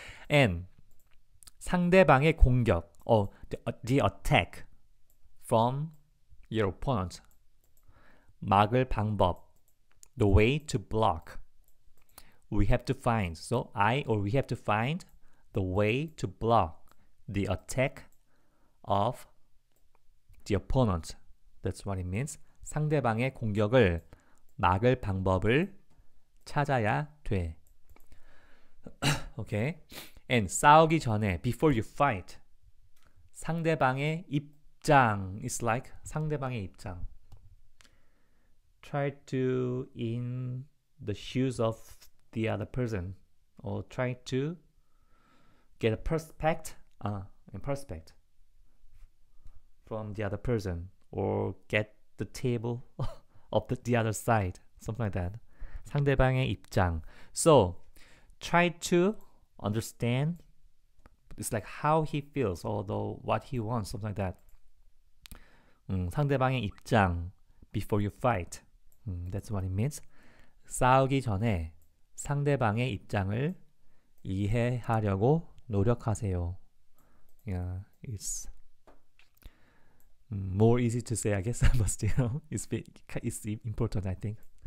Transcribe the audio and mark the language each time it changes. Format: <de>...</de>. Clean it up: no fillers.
<en>And</en> <ko>상대방의 공격,</ko> <en>or the attack from your opponent.</en> <ko>막을 방법,</ko> <en>the way to block. We have to find, so I or we have to find the way to block the attack of the opponent. That's what it means.</en> <ko>상대방의 공격을 막을 방법을 찾아야 돼.</ko> <en>Okay. And</en> <ko>싸우기 전에,</ko> <en>before you fight,</en> <ko>상대방의 입장,</ko> <en>it's like 상대방의 입장. Try to in the shoes of the other person, or try to get a perspective from the other person, or get the table of the other side, something like that.</en> <ko>상대방의 입장.</ko> <en>So try to understand, it's like how he feels, although what he wants, something like that.</en> <ko>상대방의 입장,</ko> <en>before you fight. That's what it means.</en> <ko>싸우기 전에 상대방의 입장을 이해하려고 노력하세요.</ko> <en>Yeah, it's more easy to say, I guess, but still, it's important, I think.</en>